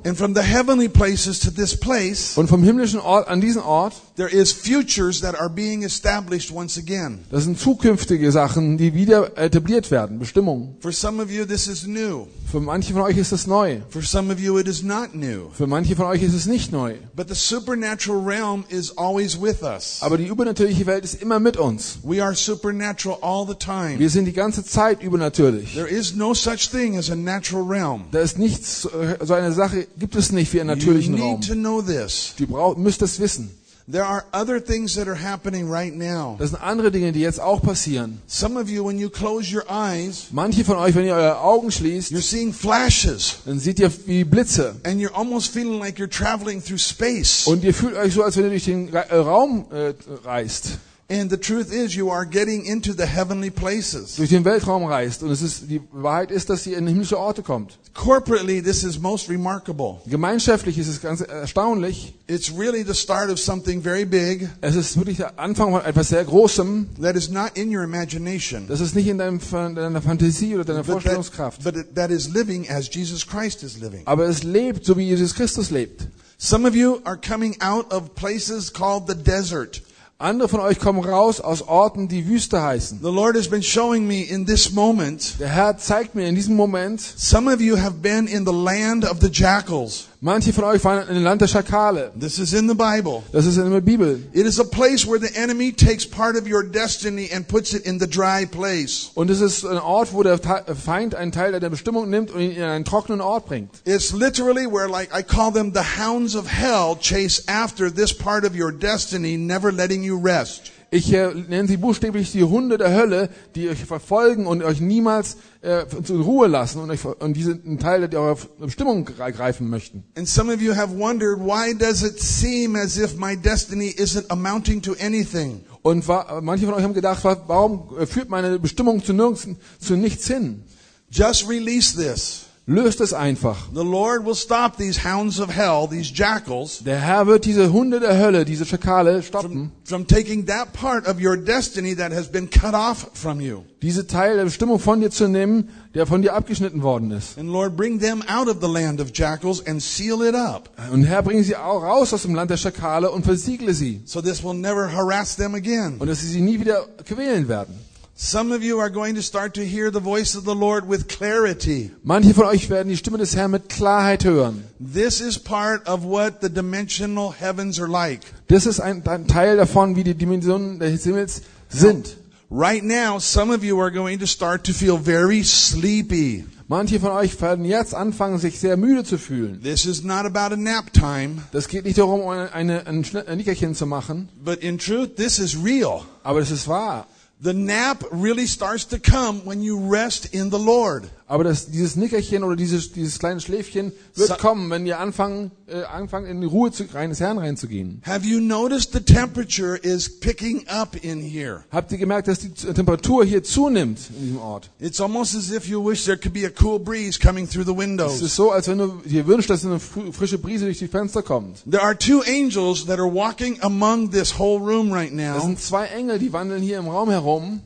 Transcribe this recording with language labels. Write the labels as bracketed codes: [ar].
[en] And from the heavenly places to this place. [de] Und vom himmlischen Ort an diesen Ort. [en] There is futures that are being established once again. [de] Das sind zukünftige Sachen, die wieder etabliert werden, Bestimmungen. [en] For some of you this is new. [de] Für manche von euch ist es neu. [en] For some of you it is not new. [de] Für manche von euch ist es nicht neu. [en] But the supernatural realm is always with us. [de] Aber die übernatürliche Welt ist immer mit uns. [en] We are supernatural all the time. [de] Wir sind die ganze Zeit übernatürlich. [en] There is no such thing as a natural realm. [de] Da ist nichts, so eine Sache gibt es nicht wie einen natürlichen [en] you need [de] Raum. [en] To know this. [de] Du müsst das wissen. [en] There are other things that are happening right now. [de] Das sind andere Dinge, die jetzt auch passieren. [en] Some of you, when you close your eyes, [de] manche von euch, wenn ihr eure Augen schließt, [en] you're seeing flashes. [de] Dann seht ihr wie Blitze. [en] And you're almost feeling like you're traveling through space. [de] Und ihr fühlt euch so, als wenn ihr durch den Raum reist. [en] And the truth is, you are getting into the heavenly places. [de] Durch den Weltraum reist, und es ist die Wahrheit ist, dass ihr in himmlische Orte kommt. [en] Corporately, this is most remarkable. [de] Gemeinschaftlich ist es ganz erstaunlich. [en] It's really the start of something very big. [de] Es ist wirklich der Anfang von etwas sehr Großem. [en] That is not in your imagination. [de] Das ist nicht in deiner Fantasie oder deiner Vorstellungskraft. [en] But that is living as Jesus Christ is living. [de] Aber es lebt so wie Jesus Christus lebt. [en] Some of you are coming out of places called the desert. [de] Andere von euch kommen raus aus Orten, die Wüste heißen. [en] The Lord has been showing me in this moment. [de] Der Herr zeigt mir in diesem Moment. [en] Some of you have been in the land of the jackals. [de] Manche von euch waren in dem Land der Schakale. [en] This is in the Bible. [de] Das ist in der Bibel. [en] It is a place where the enemy takes part of your destiny and puts it in the dry place. [de] Und es ist ein Ort, wo der Feind einen Teil deiner Bestimmung nimmt und ihn in einen trockenen Ort bringt. [en] It's literally where, like I call them, the hounds of hell chase after this part of your destiny, never letting you rest. [de] Ich nenne sie buchstäblich die Hunde der Hölle, die euch verfolgen und euch niemals in Ruhe lassen und euch und diese Teile, die eure Bestimmung greifen möchten. [en] And some of you have wondered, why does it seem as if my destiny isn't amounting to anything? [de] Und manche von euch haben gedacht, warum führt meine Bestimmung zu nirgends, zu nichts hin? [en] Just release this. [de] Löst es einfach. [en] The Lord will stop these hounds of hell, these jackals. [de] Der Herr wird diese Hunde der Hölle, diese Schakale stoppen. [en] From taking that part of your destiny that has been cut off from you. [de] Diese Teil der Bestimmung von dir zu nehmen, der von dir abgeschnitten worden ist. [en] And Lord, bring them out of the land of jackals and seal it up. [de] Und Herr, bring sie auch raus aus dem Land der Schakale und versiegle sie. [en] So this will never harass them again. [de] Und dass sie nie wieder quälen werden. [en] Some of you are going to start to hear the voice of the Lord with clarity. [de] Manche von euch werden die Stimme des Herrn mit Klarheit hören. [en] This is part of what the dimensional heavens are like. [de] Das ist ein Teil davon, wie die Dimensionen des Himmels sind. [en] Right now, some of you are going to start to feel very sleepy. [de] Manche von euch werden jetzt anfangen, sich sehr müde zu fühlen. [en] This is not about a nap time. [de] Das geht nicht darum, ein Nickerchen zu machen. [en] But in truth, this is real. [de] Aber es ist wahr. [en] The nap really starts to come when you rest in the Lord. [de] Aber dieses Nickerchen oder dieses kleine Schläfchen wird kommen, wenn ihr anfangt in die Ruhe des Herrn reinzugehen. [en] Have you noticed the temperature is picking up in here? [de] Habt ihr gemerkt, dass die Temperatur hier zunimmt in diesem Ort? [en] It's almost as if you wish there could be a cool breeze coming through the windows. [de] Es ist so, als wenn du dir wünschst, dass eine frische Brise durch die Fenster kommt. [en] There are two angels that are walking among this whole room right now. [de] Es sind zwei Engel, die wandeln hier im Raum herum.